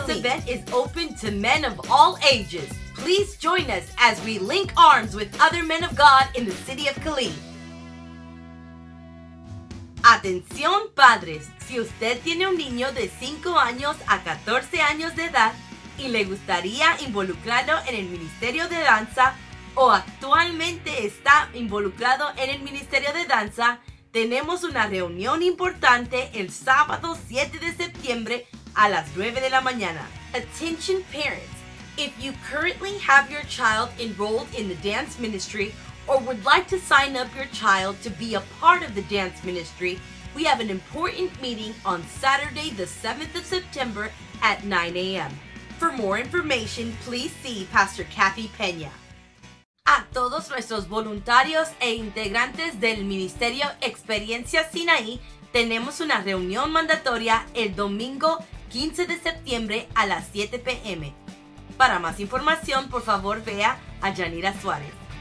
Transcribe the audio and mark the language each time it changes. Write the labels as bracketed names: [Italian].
[English] This event is open to men of all ages. Please join us as we link arms with other men of God in the city of Killeen. [Spanish] Atención padres, si usted tiene un niño de 5 años a 14 años de edad y le gustaría involucrarlo en el Ministerio de Danza o actualmente está involucrado en el Ministerio de Danza, tenemos una reunión importante el sábado 7 de septiembre a las 9 de la mañana. [English] Attention parents, if you currently have your child enrolled in the dance ministry or would like to sign up your child to be a part of the dance ministry, we have an important meeting on Saturday, the 7th of September at 9 a.m. For more information, please see Pastor Kathy Pena. [Spanish] A todos nuestros voluntarios e integrantes del Ministerio Experiencia Sinaí, tenemos una reunión mandatoria el domingo 15 de septiembre a las 7 p.m. Para más información, por favor, vea a Yanira Suárez.